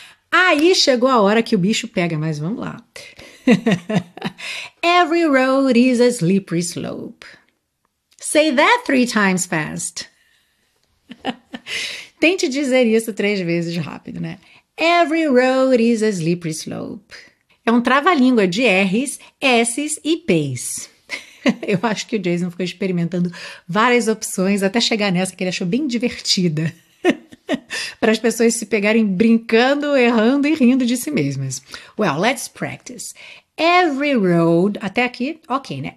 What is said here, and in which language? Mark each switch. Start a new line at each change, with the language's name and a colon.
Portuguese: Aí chegou a hora que o bicho pega, mas vamos lá.
English: Every road is a slippery slope. Say that three times fast.
Portuguese: Tente dizer isso três vezes rápido, né?
English: Every road is a slippery slope.
Portuguese: É um trava-língua de R's, S's e P's. Eu acho que o Jason ficou experimentando várias opções até chegar nessa que ele achou bem divertida. Para as pessoas se pegarem brincando, errando e rindo de si mesmas.
English: Well, let's practice. Every road,
Portuguese: até aqui,
English: ok, né?